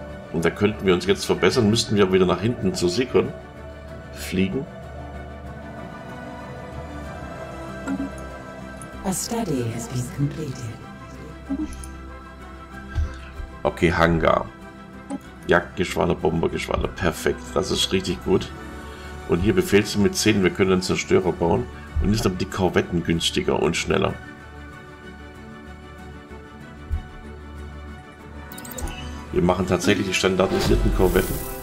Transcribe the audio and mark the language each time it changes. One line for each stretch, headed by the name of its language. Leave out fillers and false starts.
German: Und da könnten wir uns jetzt verbessern, müssten wir wieder nach hinten zu Sikon fliegen.
English: A study has been completed.
German: Okay, Hangar. Jagdgeschwader, Bombergeschwader. Perfekt, das ist richtig gut. Und hier befehlst du mit 10, wir können einen Zerstörer bauen. Und ist aber die Korvetten günstiger und schneller. Wir machen tatsächlich die standardisierten Korvetten.